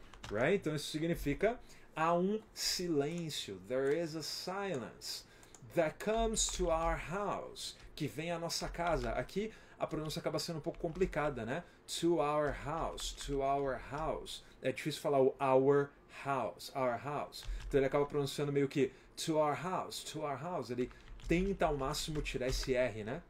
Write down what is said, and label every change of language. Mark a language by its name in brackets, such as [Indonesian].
[Portuguese] Right? Então isso significa há um silêncio. [English] There is a silence that comes to our house. [Portuguese] Que vem à nossa casa. Aqui a pronúncia acaba sendo um pouco complicada, né? To our house, é difícil falar o our house, então ele acaba pronunciando meio que to our house, ele tenta ao máximo tirar esse R, né?